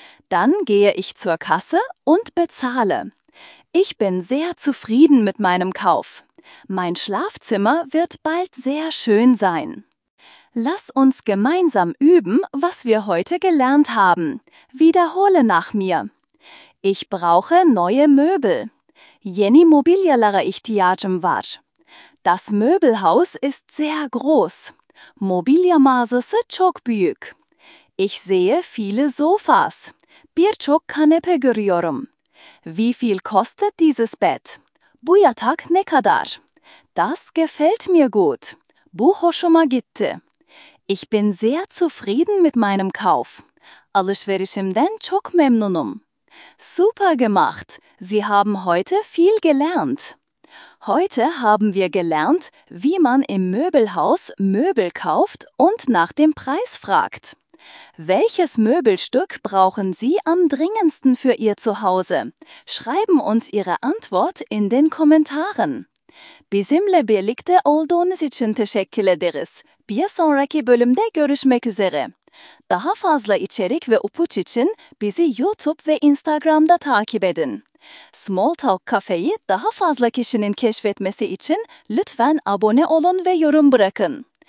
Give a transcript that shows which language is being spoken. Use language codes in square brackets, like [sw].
[de] Dann gehe ich zur Kasse und bezahle. Ich bin sehr zufrieden mit meinem Kauf. Mein Schlafzimmer wird bald sehr schön sein. Lass uns gemeinsam üben, was wir heute gelernt haben. Wiederhole nach mir. Ich brauche neue Möbel. [tr] Yeni mobilyalara ihtiyacım var. [de] Das Möbelhaus ist sehr groß. [tr] Mobilya mağazası çok büyük. [de] Ich sehe viele Sofas. [tr] Birçok kanepe görüyorum. [de] Wie viel kostet dieses Bett? [tr] Bu yatak ne kadar? [de] Das gefällt mir gut. [tr] Bu hoşuma gitti. [de] Ich bin sehr zufrieden mit meinem Kauf. [tr] Alışverişimden çok memnunum. [de] Super gemacht! Sie haben heute viel gelernt. Heute haben wir gelernt, wie man im Möbelhaus Möbel kauft und nach dem Preis fragt. Welches Möbelstück brauchen Sie am dringendsten für Ihr Zuhause? Schreiben uns Ihre Antwort in den Kommentaren. [tr] Bizimle birlikte olduğunuz için teşekkür ederiz. Bir sonraki bölümde görüşmek üzere. Daha fazla içerik ve upuç için bizi YouTube ve Instagram'da takip edin. Small Talk Cafe'yi daha fazla kişinin keşfetmesi için lütfen abone olun ve yorum bırakın.